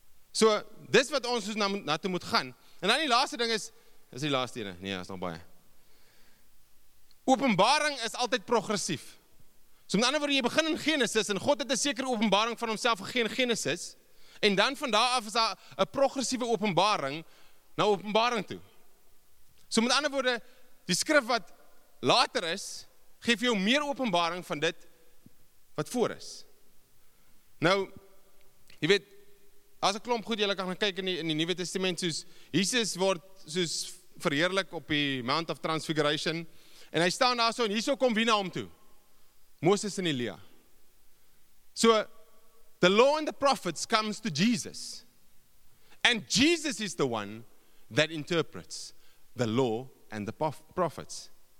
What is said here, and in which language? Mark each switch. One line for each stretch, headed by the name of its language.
Afrikaans: So, dis wat ons soos na toe moet gaan. En dan die laaste ding is die laaste ene? Nee, is nog baie. Openbaring is altyd progressief. So met ander woord, jy begin in Genesis, en God het 'n sekere openbaring van homself gegee in Genesis, en dan van daar af is daar 'n progressieve openbaring, na openbaring toe. So met ander woorde, die skrif wat later is, geef jou meer openbaring van dit, wat voor is. Nou, jy weet, as ek klomp goed, jy kan gaan kyk in die Nuwe Testament, soos Jesus word soos verheerlik op die Mount of Transfiguration, en hy staan daar so, en hierso kom wie na hom toe? Moses en Elia.
English: So, the law and the prophets comes to Jesus. And Jesus is the one that interprets the law and the prophets.